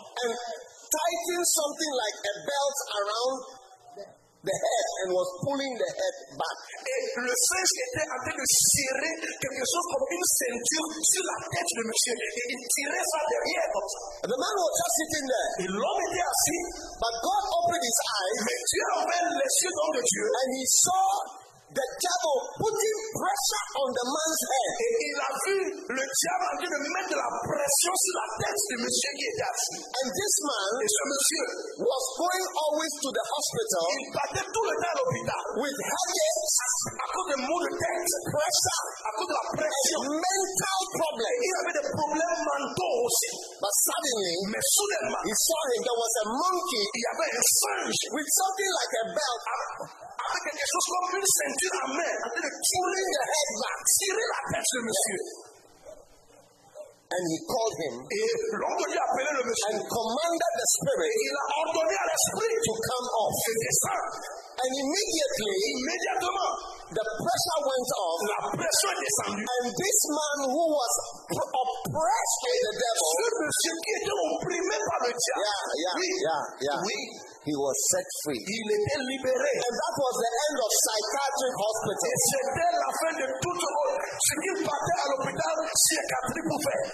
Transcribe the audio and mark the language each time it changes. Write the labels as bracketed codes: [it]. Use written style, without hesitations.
[en] And tightening something like a belt around the head and was pulling the head back. [fr] Et le singe était en train de serrer quelque chose comme une ceinture sur la tête de monsieur et il tirait ça derrière comme ça. [en] And the man was just sitting there. [fr] Et l'homme était assis. [en] But God opened his eyes. [fr] Mais Dieu a ouvert les yeux de Dieu. [en] And he saw the devil putting pressure on the man's head. [fr] Et il a vu le diable en train de mettre de la pression sur la tête de monsieur qui était assis. [en] And this man was going always to the hospital. [fr] Il partait tout le temps à l'hôpital. [en] With headaches, [fr] à cause de maux de tête, [en] pressure, [fr] à cause de la pression, [en] mental problem. [fr] Il avait des problèmes mentaux aussi. [en] But suddenly, [fr] mais soudainement, [en] he saw him. There was a monkey. [fr] Il y avait un singe [en] with something like a belt. [fr] Avec quelque chose comme une ceinture à main, en train de tourner le [en] head back, [fr] tirer la tête sur monsieur. [en] And he called him. [fr] Et l'homme lui a appelé le monsieur. [en] And commanded the spirit. [fr] Et il a ordonné à l'esprit [en] to come off. [fr] Et descend. [en] And immediately, [fr] immédiatement, [en] the pressure went off. [fr] La pression est descendue. [en] And this man who was oppressed by the devil. [fr] Ce monsieur qui était opprimé par le diable. Oui. [en] He was set free. [fr] Il était libéré. [en] And that was the end of psychiatric hospital. [fr] Et c'était la fin de tout le monde. Ce qu'il partait à l'hôpital, c'est qu'à triper.